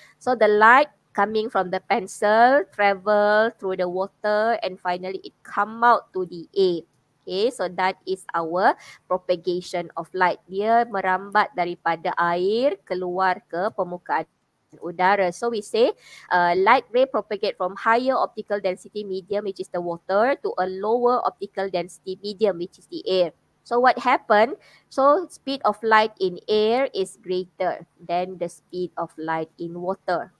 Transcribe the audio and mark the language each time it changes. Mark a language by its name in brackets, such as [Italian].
[English] So the light coming from the pencil travel through the water and finally it come out to the air. Okay, so that is our propagation of light. [Malay] Dia merambat daripada air keluar ke permukaan udara. [English] So we say light ray propagate from higher optical density medium, which is the water, to a lower optical density medium, which is the air. So what happened? So speed of light in air is greater than the speed of light in water.